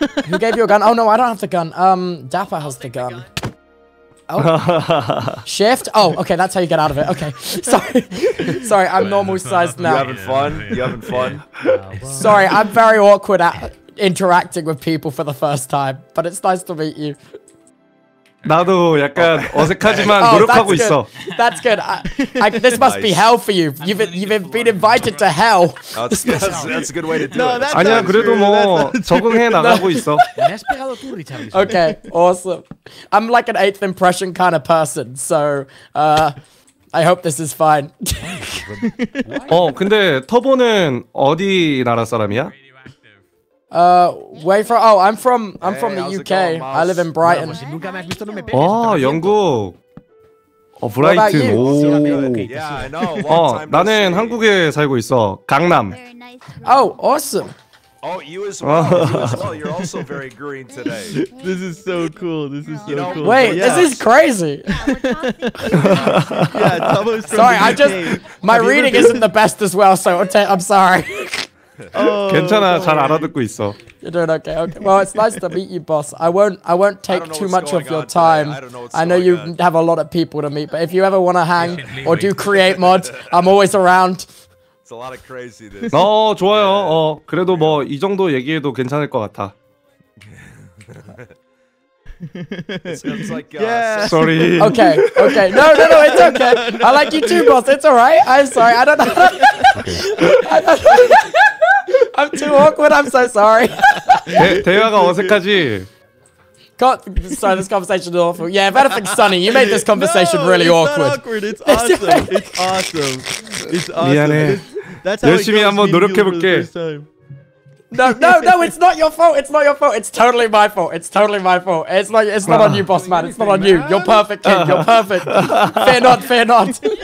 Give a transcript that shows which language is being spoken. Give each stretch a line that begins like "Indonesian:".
English: Who gave you a gun? Oh no, I don't have the gun. Dapper has the gun. Oh. Shift? Oh, okay, that's how you get out of it. Okay. Sorry, I'm normal sized now. You having fun? Sorry, I'm very awkward at interacting with people for the first time, but it's nice to meet you.
Korean: 나도 약간 어색하지만 노력하고 있어.
English: That's good. This must be hell for you. You've been invited to hell. That's a good way to do it.
Korean: 아니야, 그래도 뭐 적응해 나가고 있어.
English: Okay, awesome. I'm like an eighth impression kind of person, so I hope this is fine.
Korean: 근데 터보는 어디 나라 사람이야?
English: I'm from the UK. I live in Brighton. Oh, 영국. Oh, Brighton. Yeah, I know.
Korean: 나는 한국에 살고 있어. 강남.
English: Oh, awesome. Oh, you as well. You're also very green today. This is so cool. This is so cool. Wait, this is crazy. Yeah, sorry, my reading isn't the best as well, so I'm sorry.
Korean: 괜찮아, 잘 알아듣고 있어.
English: You're doing okay, okay. Well, it's nice to meet you, boss. I won't take too much of your time. I know you have a lot of people to meet, but if you ever want to hang or do create mod, I'm always around. It's a lot of crazy.
Korean: 어, 좋아요. 어, 그래도 뭐 이 정도 얘기해도 괜찮을 것 같아.
English: Sorry. Okay. Okay. No. It's okay. I like you too, boss. It's all right. I'm sorry. I don't know. I'm too awkward. I'm so sorry.
Korean: 대화가 어색하지.
English: Sorry, this conversation is awful. Yeah, but I think Sunny, you made this conversation really awkward. It's not awkward. It's awesome. It's awesome. It's awesome.
Korean: 미안해. 열심히 한번 노력해볼게.
English: No, it's not your fault. It's not your fault. It's totally my fault. It's totally my fault. It's not on you, boss man. It's not on you. You're perfect, kid. You're perfect. Fear not.